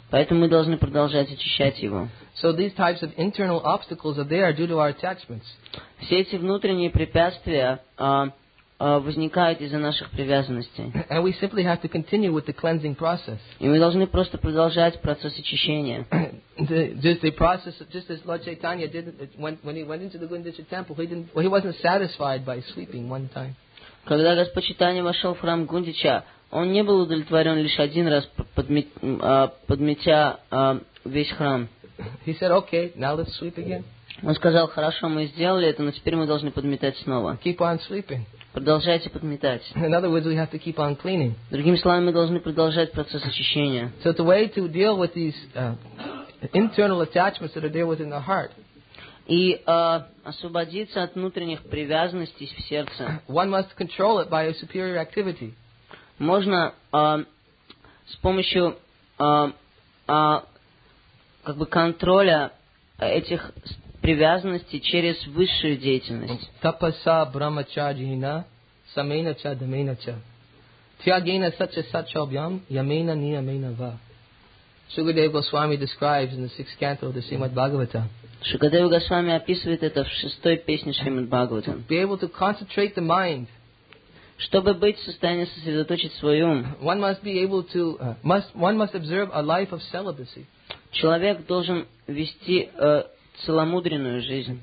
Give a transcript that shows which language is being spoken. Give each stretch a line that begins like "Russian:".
Russian: Поэтому мы должны продолжать очищать его.
English: So these types of internal obstacles are there due to our attachments.
Russian: Все эти внутренние препятствия возникают из-за наших привязанностей.
English: And we simply have to continue with the cleansing process.
Russian: И мы должны просто продолжать процесс очищения.
English: The process, just as Lord Chaitanya did when he went into the Gundisha temple, he wasn't satisfied by sweeping one time.
Russian: Когда Господь Читания вошел в храм Гундича, он не был удовлетворен лишь один раз, подметя весь храм.
English: He said, "Okay, now let's sweep again."
Russian: Он сказал, "Хорошо, мы сделали это, но теперь мы должны подметать снова."
English: Keep on sweeping.
Russian: Продолжайте подметать.
English: In other words, we have to keep on cleaning.
Russian: Другими словами, мы должны продолжать процесс очищения.
English: So the way to deal with these internal attachments that are there within the heart.
Russian: И освободиться от внутренних привязанностей в сердце.
English: One must control it by a superior activity.
Russian: Можно с помощью как бы контроля этих привязанностей через высшую деятельность.
Sanskrit: Тапаса брамачарьина самейна ча дамейна ча. Тягейна сача сача обьям ямейна ниямейна ва.
English: Шукадева Госвами describes in the sixth canto of the Srimad Bhagavata.
Russian: Шукадева Госвами описывает это в шестой песне Шримад Бхагавата.
English: To be able to concentrate the mind.
Russian: Чтобы быть в состоянии сосредоточить свой ум.
English: One must be able to one must observe a life of celibacy.
Russian: Человек должен вести целомудренную жизнь.